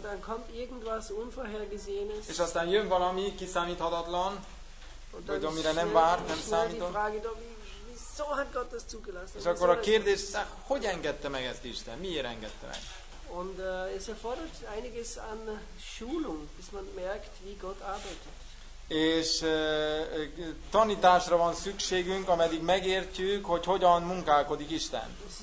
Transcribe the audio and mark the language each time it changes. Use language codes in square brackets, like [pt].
[de] Dann kommt irgendwas Unvorhergesehenes. [hu] És aztán jön valami kiszámíthatatlan, vagy amire nem várt, nem számított. [de] So hat Gott das zugelassen. [hu] És akkor a kérdés, hogy engedte meg ezt Isten? Miért engedte meg? [de] Und es erfordert einiges an Schulung, bis man merkt, wie Gott arbeitet. [hu] És tanításra van szükségünk, ameddig megértjük, hogy hogyan munkálkodik Isten.